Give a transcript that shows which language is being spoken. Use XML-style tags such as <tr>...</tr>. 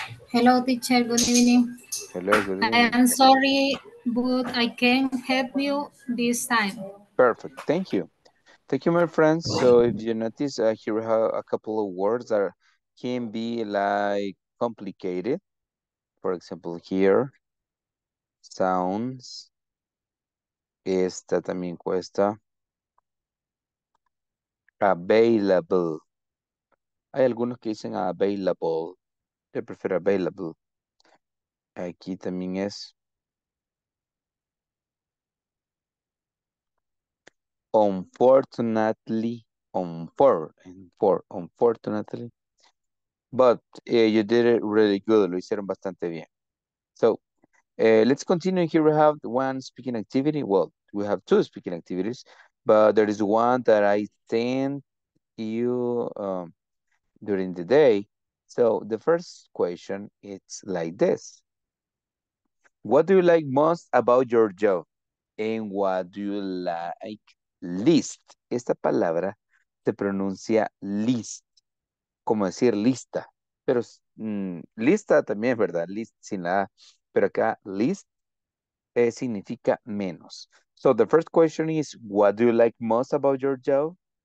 <en>Hello, teacher. Good evening. Hello, good evening. I am sorry, but I can't help you this time. Perfect. Thank you. Thank you, my friends. So if you notice, here we have a couple of words that can be like complicated. For example, here, sounds,</en> <es>esta también cuesta,</es> <en>available.</en> <es>Hay algunos que dicen available. Yo prefiero available. Aquí también es unfortunately, unfortunately.</es> <en>But you did it really good.</en> <es>Lo hicieron bastante bien.</es> <en>So let's continue. Here we have one speaking activity. Well, we have two speaking activities, but there is one that I sent you during the day. So the first question, it's like this. What do you like most about your job? And what do you like least?</en> <es>Esta palabra se pronuncia list, como decir lista. Pero lista también es verdad, list sin la A. Pero acá list significa menos.</es> <en>So the first question is, what do you like most about your job?</en>